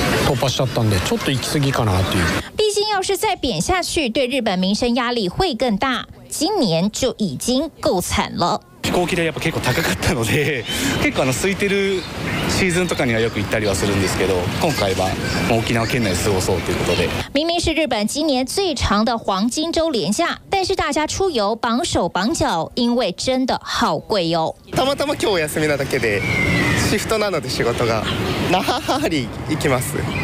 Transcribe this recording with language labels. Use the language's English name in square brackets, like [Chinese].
[Japanese] 突破しちゃったんでちょっと行き過ぎかなっていう。 [Chinese] 毕竟要是再贬下去，对日本民生压力会更大。今年就已经够惨了。 [Japanese] 飛行機でやっぱ結構高かったので、結構空いてるシーズンとかにはよく行ったりはするんですけど、今回は沖縄県内過ごそうということで。 [Chinese] 明明是日本今年最长的黄金周连假，但是大家出游绑手绑脚，因为真的好贵哟。 [Japanese] たまたま今日休みなだけで、シフトなので仕事が那覇ハリ行きます。